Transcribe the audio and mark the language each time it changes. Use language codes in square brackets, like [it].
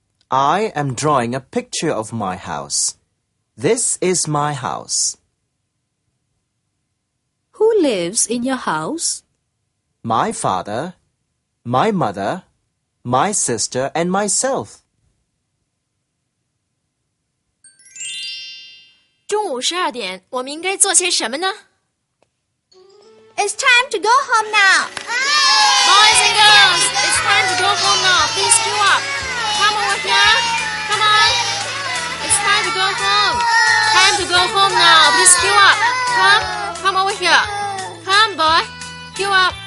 [en] I am drawing a picture of my house. This is my house. Who lives in your house? My father, my mother, my sister, and myself. [zh] 中午十二点，我们应该做些什么呢？ [en] It's time to go home now. Boys and girls, it's time to go home now. Please queue up. Come on, we're here. Come on. It's time to go home. Time to go home now. Please queue up. Come, come over here. Come, boy. Queue up.